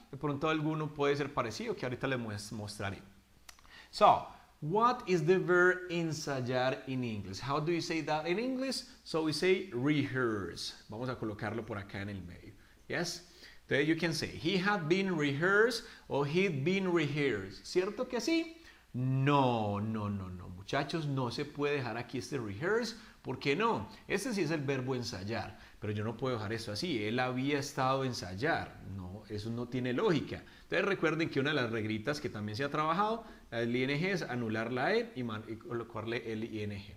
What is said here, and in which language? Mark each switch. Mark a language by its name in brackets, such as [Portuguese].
[Spanish] De pronto alguno puede ser parecido, que ahorita les mostraré. [English] So, what is the verb ensayar in English? How do you say that in English? So we say rehearse. [Spanish] Vamos a colocarlo por acá en el medio. [English] Yes? Then you can say, he had been rehearsed o he'd been rehearsed. [Spanish] ¿Cierto que sí? No, no, no, no. Muchachos, no se puede dejar aquí este rehearse. ¿Por qué no? Este sí es el verbo ensayar. Pero yo no puedo dejar eso así. Él había estado ensayar. No, eso no tiene lógica. Entonces recuerden que una de las reglitas que también se ha trabajado, el ING, es anular la E y colocarle el ING.